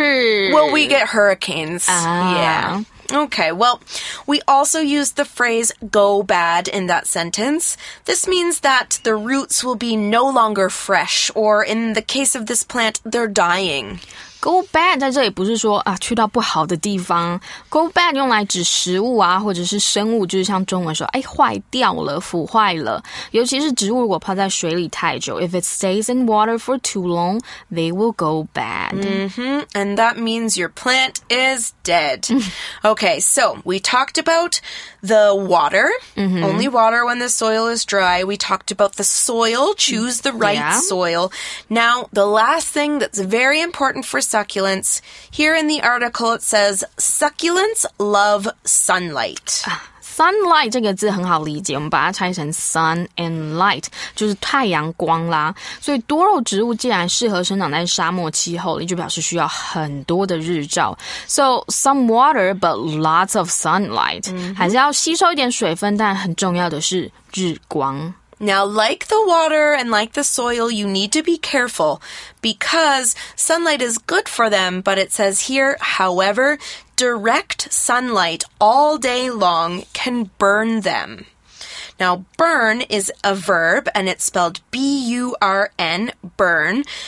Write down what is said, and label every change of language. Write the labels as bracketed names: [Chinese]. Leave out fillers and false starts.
[English] Well, we get hurricanes. Yeah. Okay, well, we also use the phrase go bad in that sentence. This means that the roots will be no longer fresh, or in the case of this plant, they're dying. [Chinese] Go bad 在这里不是说啊去到不好的地方。 Go bad 用来指食物啊或者是生物，就是像中文说哎坏掉了腐坏了。尤其是植物如果泡在水里太久， [English] If it stays in water for too long, they will go bad. And that means your plant is dead. Okay, so we talked about the water,、mm-hmm. only water when the soil is dry. We talked about the soil, choose the right、yeah. soil. Now, the last thing that's very important for succulents, here in the article it says, succulents love sunlight. [Chinese] Sunlight 这个字很好理解，我们把它拆成 sun and light， 就是太阳光啦。所以多肉植物既然适合生长在沙漠气候，就表示需要很多的日照。 [English] So some water, but lots of sunlight，、mm-hmm. [Chinese] 还是要吸收一点水分，但很重要的是日光。 [English] Now, like the water and like the soil, you need to be careful because sunlight is good for them, but it says here, however, direct sunlight all day long can burn them. Now, burn is a verb and it's spelled B-U-R-N, burn.